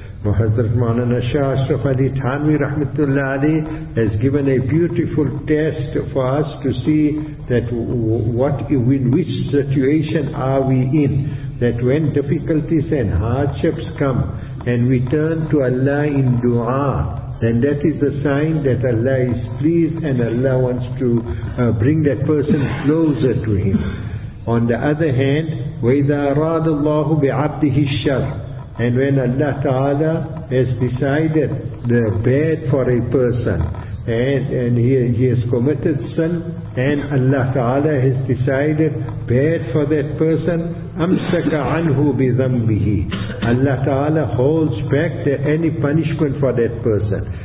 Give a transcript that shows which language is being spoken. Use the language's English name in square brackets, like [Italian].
[English] Hazrat Maulana Shah Ashraf Ali Thanvi Rahmatullah Ali has given a beautiful test for us to see that in which situation are we in. That when difficulties and hardships come and we turn to Allah in dua, then that is a sign that Allah is pleased and Allah wants to bring that person closer to him. On the other hand, [Arabic] وَإِذَا أَرَادَ اللَّهُ بِعَبْدِهِ الشَّرْ. [English] And when Allah Ta'ala has decided the bad for a person, and he has committed sin, and Allah Ta'ala has decided bad for that person, [Arabic] أَمْسَكَ عَنْهُ بِذَنْبِهِ. [English] Allah Ta'ala holds back any punishment for that person.